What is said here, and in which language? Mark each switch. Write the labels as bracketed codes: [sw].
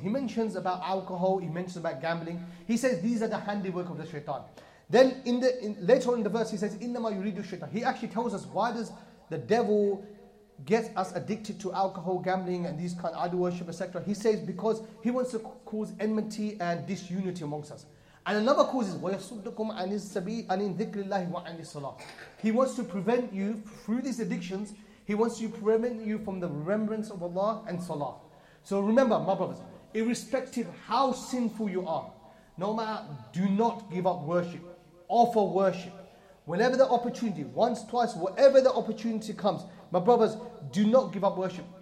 [en] He mentions about alcohol, he mentions about gambling. He says these are the handiwork of the shaitan. Then later on in the verse he says, [ar] "Innama yuridu shaitan." [en] He actually tells us why does the devil get us addicted to alcohol, gambling, and these kind of idol worship, etc. He says because he wants to cause enmity and disunity amongst us. And another cause is, [ar] وَيَصُدُّكُمْ عَنِ السَّبِيلِ عَنِ ذِكْرِ اللَّهِ وَعَنِ الصَّلَاةِ. [en] He wants to prevent you through these addictions. He wants to prevent you from the remembrance of Allah and Salah. So remember, my brothers, irrespective of how sinful you are, no matter, do not give up worship. Offer worship. Whenever the opportunity, once, twice, whatever the opportunity comes, my brothers, do not give up worship.